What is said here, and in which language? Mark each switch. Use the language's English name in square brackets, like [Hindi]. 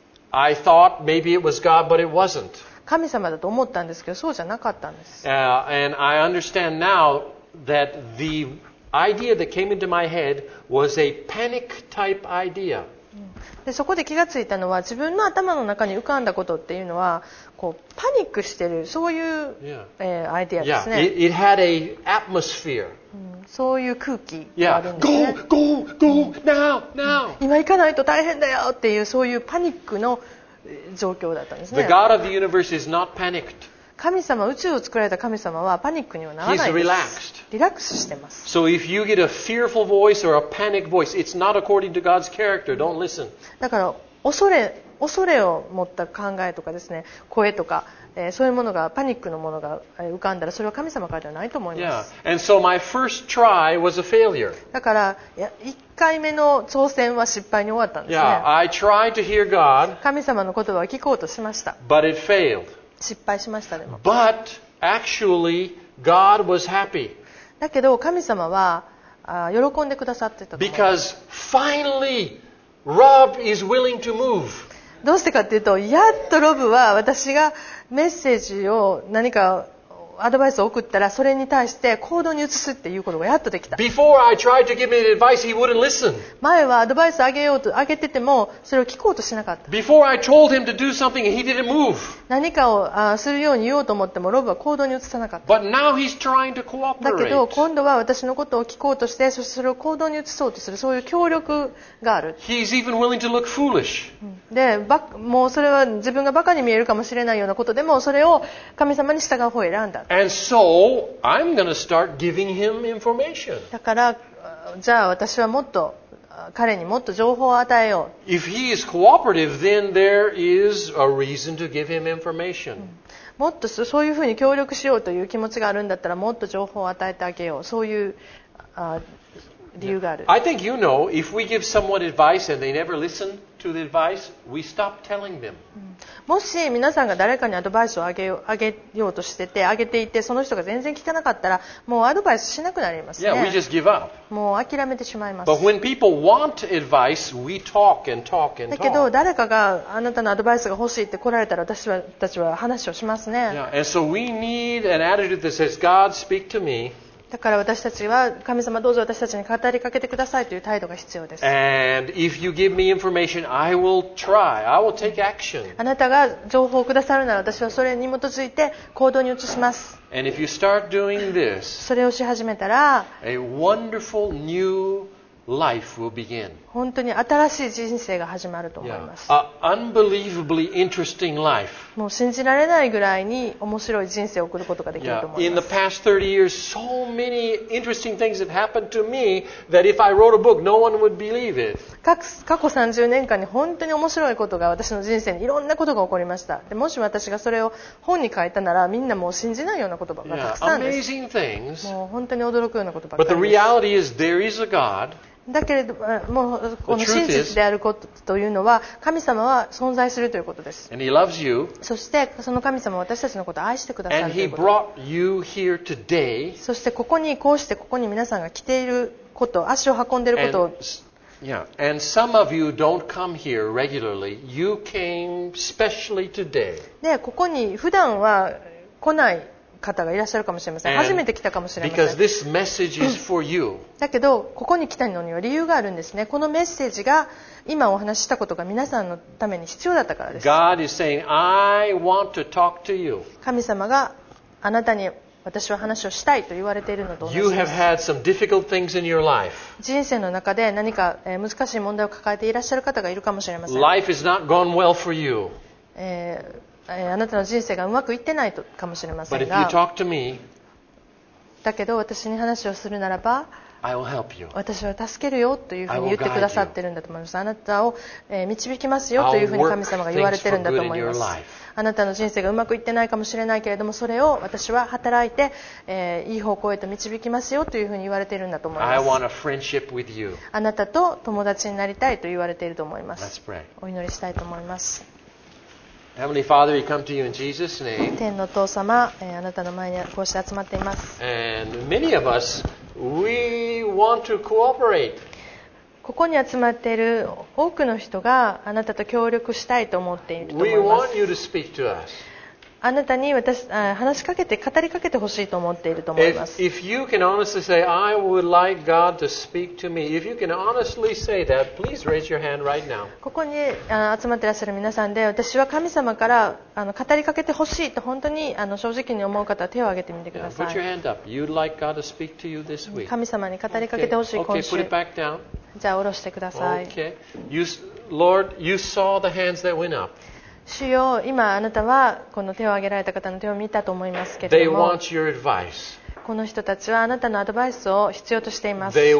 [English] I thought maybe it was God, but it wasn't. [Japanese] 神様だと思ったんですけど、そうじゃなかったんです。 [English] And I understand now that the idea that came into my head was a panic type idea. [Japanese] で、そこで気がついたのは、自分の頭の中に浮かんだことっていうのは、こうパニックしてる、そういう、アイデアですね。 [English] Yeah. It had a atmosphere. [Japanese] そういう空気があるんですね。 [English] Yeah. Go, go, go, now, now. [Japanese] 今行かないと大変だよっていう、そういうパニックの状況だったんですね。 [English] The God of the universe is not panicked. [Japanese] 神様、宇宙を作られた神様はパニックにはならないです。 [English] He's relaxed. [Japanese] リラックスしてます。 [English] So if you get a fearful voice or a panic voice, it's not according to God's character. Don't listen. [Japanese] だから恐れを持った考えとかですね、声とか、そういうものがパニックのものが浮かんだら、それは神様からではないと思います。 [English] Yeah. And so my first try was a failure. [Japanese] だから1回目の挑戦は失敗に終わったんですね。 [English] Yeah. I tried to hear God. [Japanese] 神様の言葉を聞こうとしました。 [English] But it failed. [Japanese] 失敗しましたでも。 [English] But actually, God was happy. [Japanese] だけど神様は喜んでくださってた。 [English] Because finally, Rob is willing to move. [Japanese] どうしてかっていうと、やっとロブは私がメッセージを何かアドバイスを送ったら、それに対して行動に移すっていうことがやっとできた。 [English] Before I tried to give him advice, he wouldn't listen. [Japanese] 前はアドバイスをあげてても、それを聞こうとしなかった。 [English] Before I told him to do something, he didn't move. [Japanese] 何かをするように言おうと思っても、ロブは行動に移さなかった。 [English] But now he's trying to cooperate. [Japanese] だけど、今度は私のことを聞こうとして、そしてそれを行動に移そうとする、そういう協力がある。 [English] He's even willing to look foolish. [Japanese] で、もうそれは自分がバカに見えるかもしれないようなことでも、それを神様に従う方を選んだ。 [English] And so I'm going to start giving him information. [Japanese] だから、じゃあ私はもっと彼にもっと情報を与えよう。 [English] If he is cooperative, then there is a reason to give him information. [Japanese] もっとそういうふうに協力しようという気持ちがあるんだったら、もっと情報を与えてあげよう、そういう理由がある。 [English] I think you know, if we give someone advice and they never listen to the advice, we stop telling them. [Japanese] もし皆さんが誰かにアドバイスをあげようとしてて、あげていて、その人が全然聞かなかったら、もうアドバイスしなくなりますね。 [English] Yeah, we just give up. [Japanese] もう諦めてしまいます。 [English] But when people want advice, we talk and talk and talk. [Japanese] だけど誰かがあなたのアドバイスが欲しいって来られたら、私たちは話をしますね。 [English] Yeah, and so we need an attitude that says, God, speak to me. [Japanese] だから私たちは、神様どうぞ私たちに語りかけてくださいという態度が必要です。 [English] And if you give me information, I will try. I will take action. [Japanese] あなたが情報をくださるなら、私はそれに基づいて行動に移します。 [English] And if you start doing this, [Japanese] それをし始めたら、 [English] a wonderful new life will begin. [Japanese] 本当に新しい人生が始まると思います。 [English] Yeah. Unbelievably interesting life. [Japanese] もう信じられないぐらいに面白い人生を送ることができると思います。 [English] In the past 30 years, so many interesting things have happened to me that if I wrote a book, no one would believe it. [Japanese] 過去30年間に本当に面白いことが私の人生にいろんなことが起こりました。で、もし私がそれを本に書いたなら、みんなもう信じないようなことばがたくさんです。 [English] Amazing things. [Japanese] もう本当に驚くようなことばかりです。 [English] But the reality is there is a God. [Japanese] だけれどもうこの真実であることというのは神様は存在するということです。 [English] And he loves you. [Japanese] そしてその神様は私たちのことを愛してくださる。 [English] And he brought you here today. [Japanese] そしてここにこうしてここに皆さんが来ていること、足を運んでいることを。 [English] And some of you don't come here regularly. You came specially today. [Japanese] でここに普段は来ない方がいらっしゃるかもしれません。初めて来たかもしれません。 [English] Because this message is for you. [Japanese] だけどここに来たのには理由があるんですね。このメッセージが今お話ししたことが皆さんのために必要だったからです。 [English] God is saying, I want to talk to you. [Japanese] 神様があなたに私は話をしたいと言われているのと同じです。 [English] You have had some difficult things in your life. [Japanese] 人生の中で何か難しい問題を抱えていらっしゃる方がいるかもしれません。 [English] Life has not gone well for you. [Japanese] あなたの人生がうまくいってないかもしれませんが、 [English] me, [Japanese] だけど私に話をするならば、私は助けるよというふうに言ってくださってるんだと思います。あなたを導きますよというふうに神様が言われてるんだと思います。あなたの人生がうまくいってないかもしれないけれども、それを私は働いて、いい方向へと導きますよというふうに言われているんだと思います。 [English] I want a friendship with you. [Japanese] あなたと友達になりたいと言われていると思います。 [English] Let's pray. [Japanese] お祈りしたいと思います。 [English] Heavenly Father, we come to you in Jesus' name. [Japanese] 天の父様、あなたの前にこうして集まっています。 [English] And many of us, we want to cooperate. [Japanese] ここに集まっている多くの人があなたと協力したいと思っていると思います。 [English] We want you to speak to us. [Japanese] あなたに話しかけて語りかけてほしいと思っていると思います。 [English] If you can honestly say, I would like God to speak to me. If you can honestly say that, please raise your hand right now. [Japanese] ここに集まっていらっしゃる皆さんで、私は神様から語りかけてほしいと本当に正直に思う方は手を挙げてみてください。 [English] Put your hand up. You'd like God to speak to you this week. [Japanese] 神様に語りかけてほしい今週。 [English] Okay, put it back down. [Japanese] じゃあ下ろしてください。 [English] Okay. Lord, you saw the hands that went up. [Japanese] 主よ、今あなたはこの手を挙げられた方の手を見たと思いますけれども、この人たちはあなたのアドバイスを必要としています。